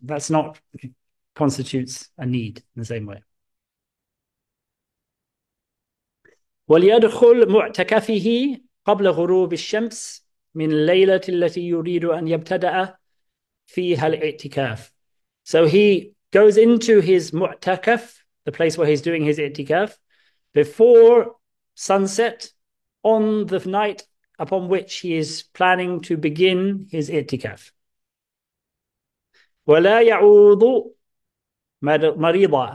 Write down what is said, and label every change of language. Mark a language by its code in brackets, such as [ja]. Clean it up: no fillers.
[en] That's not constitutes a need in the same way. [ar] وليدخل معتكفه قبل غروب الشمس من الليلة التي يريد أن يبتدأ فيها الاعتكاف. [en] So he goes into his mu'takaf, the place where he's doing his i'tikaf, before sunset on the night upon which he is planning to begin his i'tikaf. [ar] وَلَا يَعُوضُ مَرِيضًا.